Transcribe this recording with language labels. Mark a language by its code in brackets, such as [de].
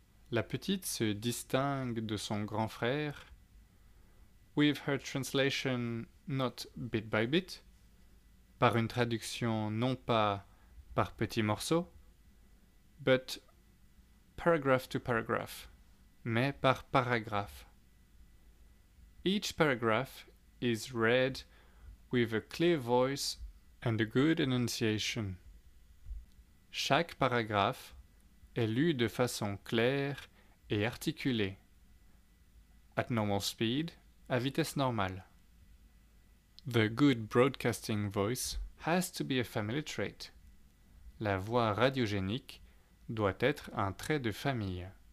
[fr] La petite se distingue de son grand frère, [en] with her translation not bit by bit, [fr] par une traduction non pas par petits morceaux, [en] but paragraph to paragraph, [fr] mais par paragraphe. [en] Each paragraph is read with a clear voice and a good enunciation. [fr] Chaque paragraphe est lu de façon claire et articulée, [en] at normal speed, [fr] à vitesse normale. [en] The good broadcasting voice has to be a family trait. [fr] La voix radiogénique doit être un trait de famille.